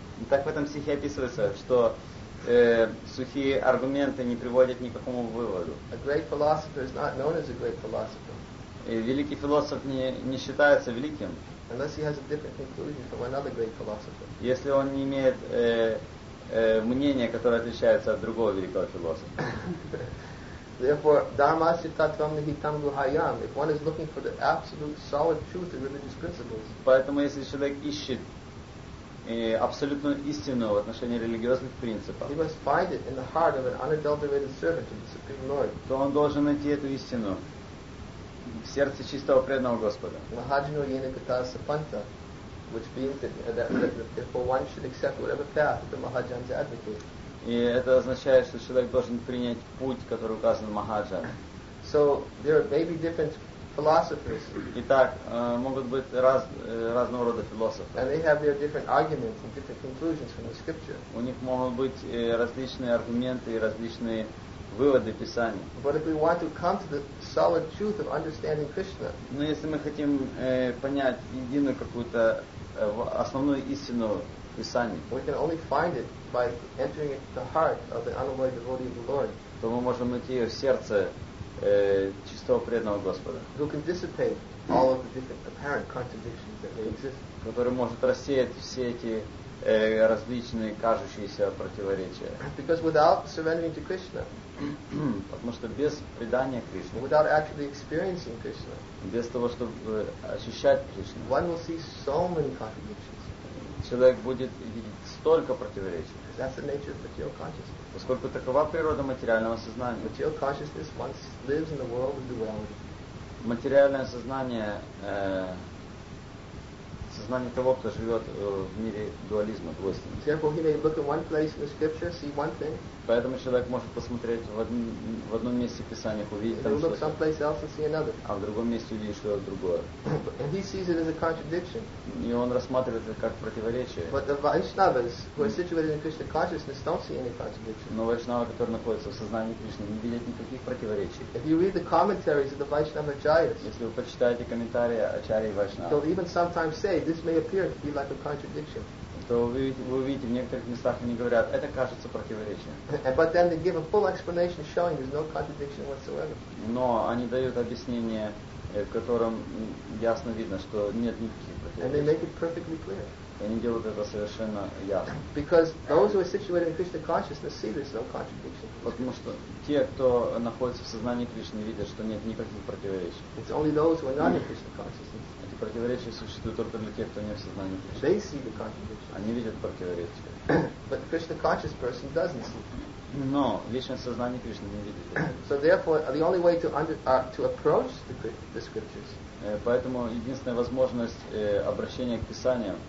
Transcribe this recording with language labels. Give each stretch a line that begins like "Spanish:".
Russian: Так в этом стихе описывается, что сухие аргументы не приводят ни к какому выводу.
English: A great philosopher is not known as a great philosopher.
Russian: Великий философ не считается великим.
English: Unless he has a different conclusion from another great philosopher.
Russian: Если он не имеет мнение, которое отличается от другого великого философа.
English: Therefore,
Sanskrit: dharma sitatvam nihitam guhayam.
English: If one is looking for the absolute solid truth in religious principles.
Russian: Поэтому если человек ищет абсолютную истину в отношении религиозных принципов.
English: He must find it in the heart of an unadulterated servant of the Supreme Lord.
Russian: То он должен найти эту истину в сердце чистого преданного Господа.
Sanskrit: Mahajno yena katasa panta.
English: Which means that therefore one should accept whatever path the Mahajans advocate.
Russian: И это означает, что человек должен принять путь, который указан Махаджан.
English: So there may be different philosophers.
Russian: Итак, могут быть разного рода философы.
English: And they have their different arguments and different conclusions from the scripture.
Russian: У них могут быть различные аргументы и различные выводы Писания.
English: But if we want to come to the solid truth of understanding Krishna.
Russian: Но если мы хотим понять единую какую-то основную истину Писания.
English: We can only find it by entering into the heart of the unalloyed devotee of the Lord.
Russian: То мы можем найти ее в сердце чистого преданного Господа.
English: Who can dissipate all of the different apparent contradictions that may exist.
Russian: Который может рассеять все эти различные кажущиеся противоречия.
English: Because without surrendering to Krishna.
Russian: Потому что без предания Кришне.
English: Without actually experiencing Krishna.
Russian: Без того, чтобы ощущать Кришну.
English: One will see so many contradictions.
Russian: Человек будет видеть столько противоречий.
English: That's the nature of material consciousness.
Russian: Поскольку такова природа материального сознания.
English: Material consciousness once lives in the world of duality.
Russian: Материальное сознание, сознание того, кто живет в мире дуализма, двойственности.
English: Therefore, he may look at one place in the scripture, see one thing.
Russian: Поэтому человек может посмотреть в одном месте Писания, увидеть там что-то.
English: Someplace else and see another.
Russian: А в другом месте увидеть что-то другое.
English: And he sees it as a contradiction.
Russian: И он рассматривает это как противоречие.
English: But the Vaishnavas, who are situated in Krishna consciousness, don't see any contradiction.
Russian: Но Вайшнава, который находится в сознании Кришны, не видит никаких противоречий.
English: If you read the commentaries of the Vaishnava Acharyas,
Russian: если вы почитаете комментарии Ачарьи Вайшнава,
English: they'll even sometimes say this may appear to be like a contradiction.
Russian: то вы увидите, в некоторых местах они говорят, это кажется противоречием.
English: But then they give a full explanation showing there's no contradiction whatsoever.
Russian: Но они дают объяснение, в котором ясно видно, что нет никаких противоречий.
English: And they make it perfectly clear.
Russian: И они делают это совершенно ясно.
English: Because those who are situated in Krishna consciousness see there's no contradiction.
Russian: Потому что те, кто находится в сознании Кришны, видят, что нет никаких противоречий.
English: It's only those who are not in Krishna consciousness.
Russian: Эти противоречия существуют только для тех, кто не в сознании Кришны.
English: They see the contradiction.
Russian: Они видят противоречия.
English: But the Krishna conscious person doesn't see.
Russian: Но личное сознание Кришны не видит.
English: So therefore, the only way to to approach the scriptures.
Russian: Поэтому единственная возможность обращения к Писаниям.